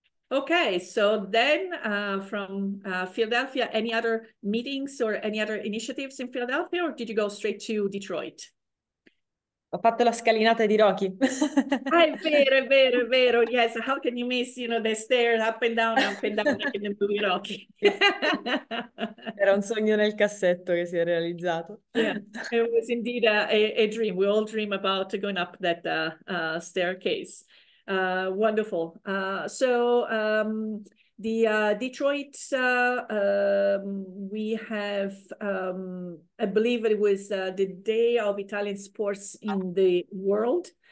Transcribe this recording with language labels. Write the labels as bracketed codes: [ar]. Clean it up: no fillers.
[en] Okay, so then from Philadelphia, any other meetings or any other initiatives in Philadelphia, or did you go straight to Detroit? [it] Ho fatto la scalinata di Rocky. Ah, è vero. [en] Yes, how can you miss, you know, the stairs up and down like in the movie Rocky? [it] Era un sogno nel cassetto che si è realizzato. [en] Yeah, it was indeed a dream. We all dream about going up that staircase. Wonderful. So the Detroit, we have, I believe it was the day of Italian sports in the world.